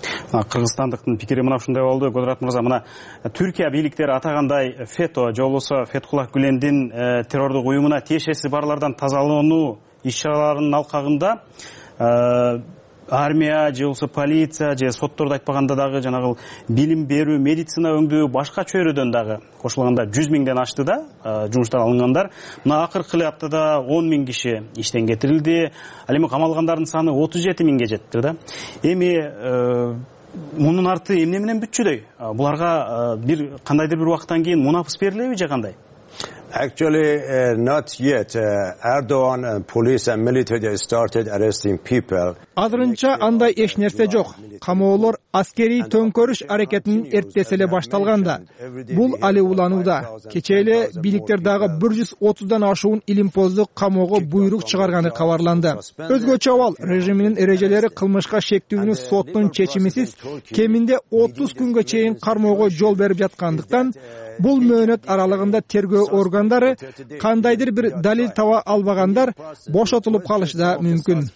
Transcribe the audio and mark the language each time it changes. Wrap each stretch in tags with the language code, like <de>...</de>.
<ky>Кыргызстандыктын пикири мына ушундай болду. Кудрат мырза, мына Түркия бийликтери атагандай ФЭТО же болбосо Фетхуллах Гүлендин террордук уюмуна тиешеси барлардан тазалоонуу иш чараларынын алкагында армия же болбосо полиция же сотторду айтпаганда дагы жанагыл билим берүү, медицина өңдүү, башка чөйрөдөн дагы кошулганда 100 000 ашты да жумуштан алынгандар. Мына акыркы эле аптада 10 000 киши иштен кетирилди. Ал эми камалгандардын саны 37 000 жетти да. Эми мунун арты эмне менен бүтчүдөй? Буларга бир кандайдыр бир убакыттан кийин мунапыс берилеби же кандай?</ky> <en>Actually, not yet. Erdogan and police and military they started arresting people.</en> <ky>Азырынча андай эч нерсе жок. Камоолор аскерий төңкөрүш аракетинин эртеси эле башталганда. Бул али уланууда. Кечээ эле бийликтер дагы 130 ашуун илимпозду камоого буйрук чыгарганы кабарланды. Өзгөчө абал, режиминин эрежелери кылмышка шектүүнү соттун чечимисиз кеминде 30 күнгө чейин кармоого жол берип жаткандыктан, бул мөөнөт аралыгында тергөө органдары кандайдыр бир далил таба албагандар бошотулуп калышы да мүмкүн.</ky>